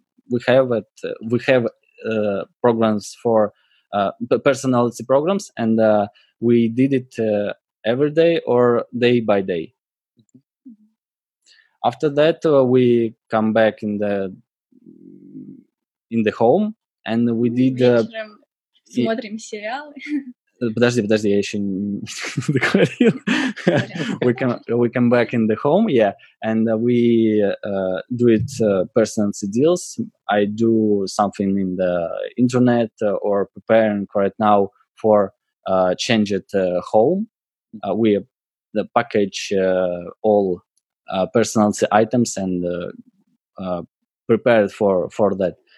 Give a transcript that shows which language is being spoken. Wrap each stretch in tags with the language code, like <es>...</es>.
<en>We have programs for personality programs, and we did it every day or day by day. Mm-hmm. After that, we come back in the home, and we did.</en> <ru>Смотрим сериалы. Подожди, я еще не договорил.</ru> <en>We come back in the home, yeah, and we do it personality deals. I do something in the internet or preparing right now for change at home. We package all personality items and prepare it for that.</en>